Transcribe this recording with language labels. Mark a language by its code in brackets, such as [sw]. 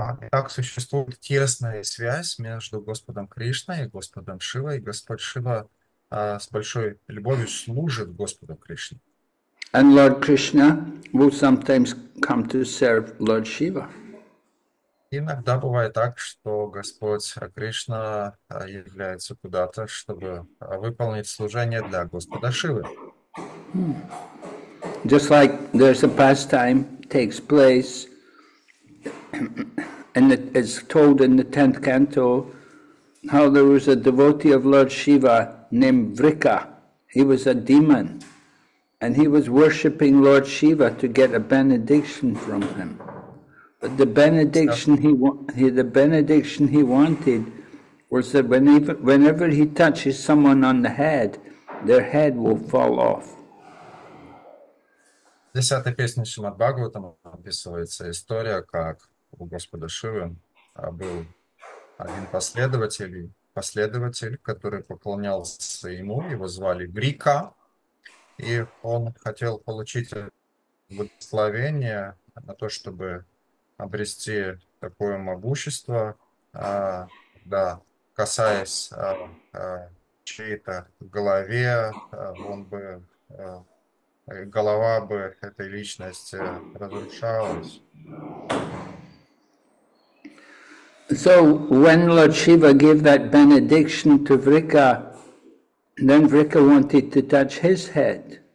[ru] Так существует тесная связь между Господом Кришной и Господом Шивой, и Господь Шива с большой любовью служит Господу Кришне. [en] And Lord Krishna will sometimes come to serve Lord Shiva. [ru] Иногда бывает так, что Господь Кришна является куда-то, чтобы выполнить служение для Господа Шивы. [en] Just like there's a pastime takes place, and it is told in the 10th canto, how there was a devotee of Lord Shiva named Vrika. He was a demon, and he was worshipping Lord Shiva to get a benediction from him. But the benediction he wanted was that whenever he touches someone on the head, their head will fall off. [ru] В 10-й песне Шримад-Бхагаватам описывается история, как у Господа Шивы был один последователь, который поклонялся ему, его звали Грика, и он хотел получить благословение на то, чтобы обрести такое могущество, да, касаясь чьей-то голове, он бы, голова бы этой личности разрушалась. [en] So when Lord Shiva gave that benediction to Vrika, then Vrika wanted to touch his head.